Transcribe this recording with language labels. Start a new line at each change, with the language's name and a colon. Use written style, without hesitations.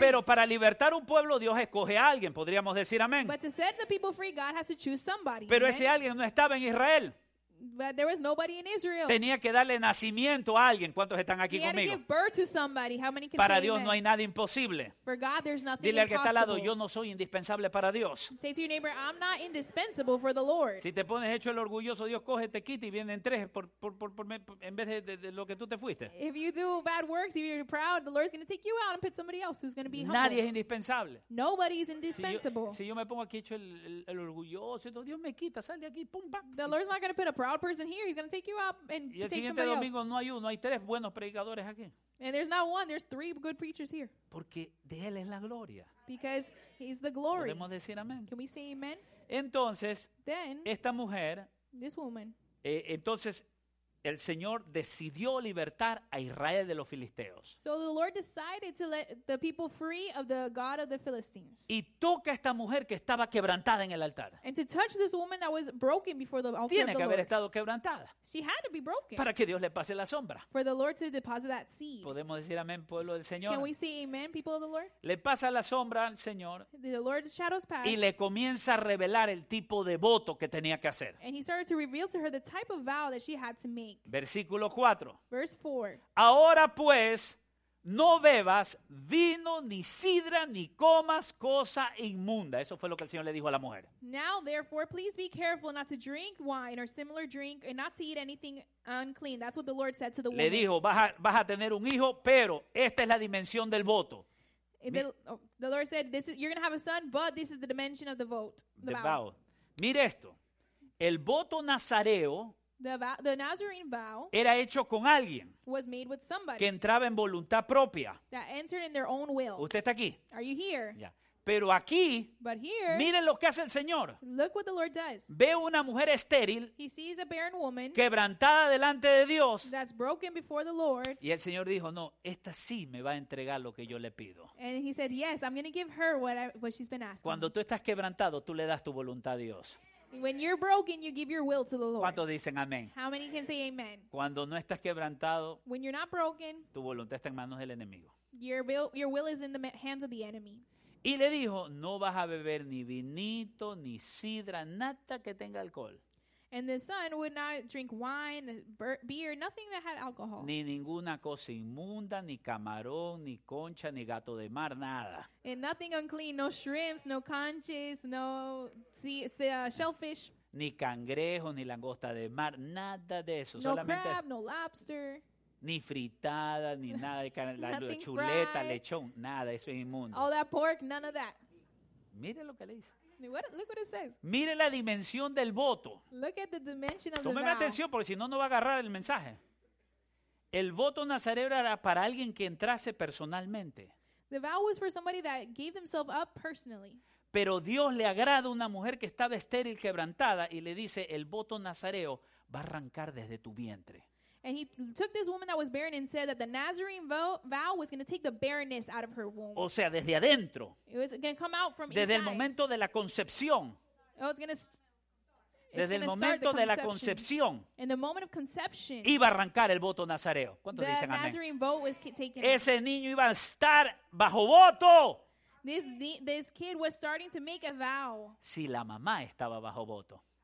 Spanish: Pero para libertar un pueblo, Dios escoge a alguien, podríamos decir amén.
English: But to set the people free, God has to choose somebody.
Spanish: Pero ese alguien no estaba en Israel.
English: But there was nobody in Israel.
Spanish: Tenía que darle nacimiento a alguien. ¿Cuántos están aquí conmigo?
English: He had to give birth to somebody. How many can
Spanish: para Dios
English: amen?
Spanish: No hay nada imposible.
English: For God, there's nothing impossible.
Spanish: Dile al que está al lado, yo no soy indispensable para Dios.
English: Say to your neighbor, I'm not indispensable for the Lord.
Spanish: Si te pones hecho el orgulloso, Dios coge, te quita y vienen tres por en vez de lo que tú te fuiste.
English: If you do bad works, if you're proud, the Lord's going to take you out and put somebody else who's going to be humble.
Spanish: Nadie es indispensable.
English: Nobody is indispensable.
Spanish: Si yo me pongo aquí hecho el orgulloso, Dios me quita, sal de aquí, pum, pa.
English: The Lord's not going to put a proud person here, he's going to take you up and
Spanish: y el
English: take
Spanish: siguiente domingo no hay uno, hay tres buenos predicadores aquí.
English: And there's not one, there's three good preachers here.
Spanish: Porque de él es la gloria.
English: Because he's the glory.
Spanish: ¿Podemos decir amén?
English: Can we say amen?
Spanish: Entonces,
English: then,
Spanish: esta mujer,
English: this woman,
Spanish: entonces el Señor decidió libertar a Israel de los filisteos.
English: So the Lord decided to let the people free of the God of the Philistines.
Spanish: Y toca a esta mujer que estaba quebrantada en el altar.
English: And to touch this woman that was broken before the altar
Spanish: tiene
English: of the Lord.
Spanish: Tiene que haber estado quebrantada.
English: She had to be broken.
Spanish: Para que Dios le pase la sombra.
English: For the Lord to deposit that seed.
Spanish: ¿Podemos decir amén, pueblo del Señor?
English: Can we say amen, people of the Lord?
Spanish: Le pasa la sombra al Señor.
English: The Lord's shadows pass.
Spanish: Y le comienza a revelar el tipo de voto que tenía que hacer.
English: And he started to reveal to her the type of vow that she had to make.
Spanish: Versículo 4.
English: Verse 4.
Spanish: Ahora pues, no bebas vino ni sidra ni comas cosa inmunda. Eso fue lo que el Señor le dijo a la mujer.
English: Now therefore, please be careful not to drink wine or similar drink and not to eat anything unclean. That's what the Lord said to the woman.
Spanish: Le dijo, vas a tener un hijo, pero esta es la dimensión del voto.
English: The Lord said, this is, you're going to have a son, but this is the dimension of the vote. The vow.
Spanish: Mire esto. El voto nazareo
English: The Nazarene vow
Spanish: era hecho con alguien
English: was made with somebody
Spanish: que entraba en voluntad propia.
English: That entered in their own will.
Spanish: ¿Usted está aquí?
English: Are you here? Yeah.
Spanish: Pero aquí,
English: but here,
Spanish: miren lo que hace el Señor.
English: Look what the Lord does.
Spanish: Ve una mujer estéril,
English: he sees a barren woman,
Spanish: quebrantada delante de Dios.
English: That's broken before the Lord.
Spanish: Y el Señor dijo, no, esta sí me va a entregar lo que yo le pido.
English: And he said, yes, I'm going to give her what she's been asking.
Spanish: Cuando tú estás quebrantado, tú le das tu voluntad a Dios.
English: When you're broken, you give your will to the Lord.
Spanish: ¿Cuántos dicen amén?
English: How many can say amen?
Spanish: Cuando no estás quebrantado,
English: when you're not broken,
Spanish: tu voluntad está en manos del enemigo.
English: Your will is in the hands of the enemy.
Spanish: Y le dijo, no vas a beber ni vinito, ni sidra, nada que tenga alcohol.
English: And the son would not drink wine, beer, nothing that had alcohol.
Spanish: Ni ninguna cosa inmunda, ni camarón, ni concha, ni gato de mar, nada.
English: And nothing unclean, no shrimps, no conches, no shellfish.
Spanish: Ni cangrejo, ni langosta de mar, nada de eso.
English: No
Spanish: solamente
English: crab, no lobster.
Spanish: Ni fritada, ni nada de carne, la chuleta,
English: fried.
Spanish: Lechón, nada, eso es inmundo.
English: All that pork, none of that.
Spanish: Mire lo que le dice.
English: Look what it says.
Spanish: Mire la dimensión del voto.
English: Look at the dimension of the vow.
Spanish: Tómeme atención porque si no, no va a agarrar el mensaje. El voto nazareo era para alguien que entrase personalmente.
English: The vow was for somebody that gave themselves up personally.
Spanish: Pero Dios le agrada a una mujer que estaba estéril, quebrantada, y le dice, el voto nazareo va a arrancar desde tu vientre.
English: And he took this woman that was barren and said that the Nazarene vow was going to take the barrenness out of her womb.
Spanish: O sea, desde adentro.
English: It was going to come out from
Spanish: desde
English: inside.
Spanish: Desde el momento de la concepción.
English: Oh, it's going to
Spanish: desde el momento de la concepción.
English: In the moment of conception.
Spanish: Iba a arrancar el voto nazareo. ¿Cuántos dicen amén?
English: The Nazarene vow was taken.
Spanish: Ese niño iba a estar bajo voto.
English: This kid was starting to make a vow.
Spanish: Si la mamá estaba bajo voto.